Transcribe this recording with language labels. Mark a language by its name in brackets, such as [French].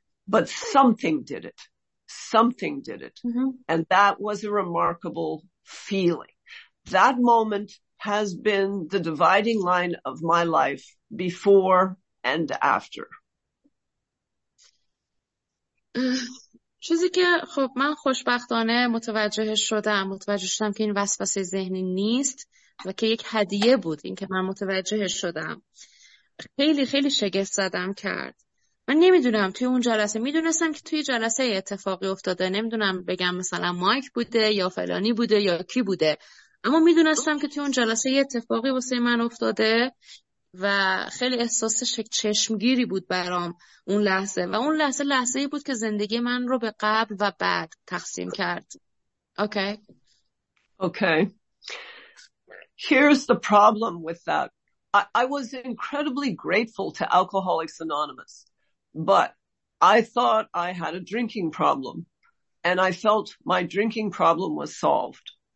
[English] But something did it. Something did it. Mm-hmm. And that was a remarkable feeling. That moment has been the dividing line of my life before and after. [Persian] چیزی که خب من خوشبختانه متوجه شدم که این وسوسه ذهنی نیست و که یک هدیه بود این که من متوجه شدم، خیلی خیلی شگفت زدم کرد. من نمیدونم توی اون جلسه، میدونستم که توی جلسه یه اتفاقی افتاده، نمیدونم بگم مثلا مایک بوده یا فلانی بوده یا کی بوده، اما میدونستم که توی اون جلسه یه اتفاقی واسه من افتاده و خیلی احساس چشمگیری بود برام اون لحظه، و اون لحظه لحظه‌ای بود که زندگی من رو به قبل و بعد تقسیم کرد. [English] Okay? Okay. Here's the problem with that. I was incredibly grateful to Alcoholics Anonymous. But I thought I had a drinking problem, and I felt my drinking problem was solved.